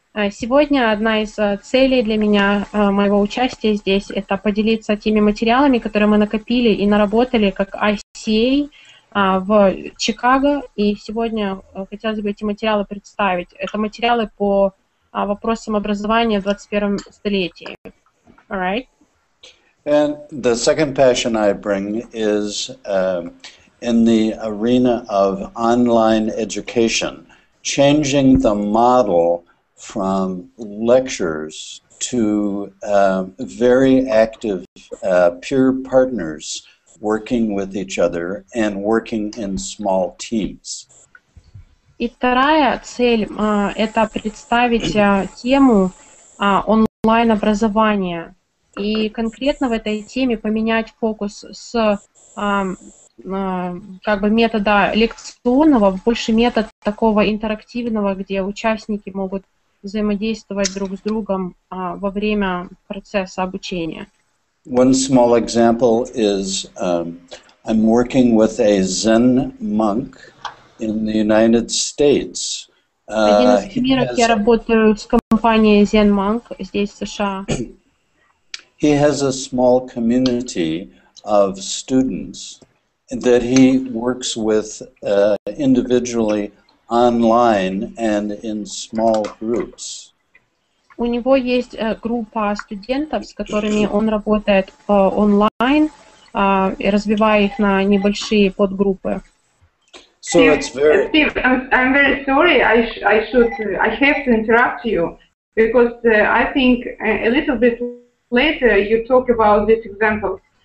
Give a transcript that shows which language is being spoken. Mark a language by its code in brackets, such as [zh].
[ru] Сегодня одна из целей для меня, моего участия здесь, это поделиться теми материалами, которые мы накопили и наработали как ICA, в Чикаго, и сегодня хотелось бы эти материалы представить. Это материалы по вопросам образования в 21-м столетии. [en] All right. And the second passion I bring is in the arena of online education, changing the model from lectures to very active peer partners working with each other and working in small teams. [ru] И вторая цель это представить тему онлайн образования и конкретно в этой теме поменять фокус с как бы метода лекционного в больше метод такого интерактивного, где участники могут взаимодействовать друг с другом во время процесса обучения. [en] One small example is I'm working with a Zen monk in the United States. [ru] Я работаю с компанией Zen Monk здесь, в США. [en] He has a small community of students that he works with individually online and in small groups. [ru] У него есть группа студентов, с которыми он работает онлайн, и разбивая их на небольшие подгруппы. [en] So Steve, it's very... Steve, I'm very sorry. I have to interrupt you because I think a little bit later you talk about this example.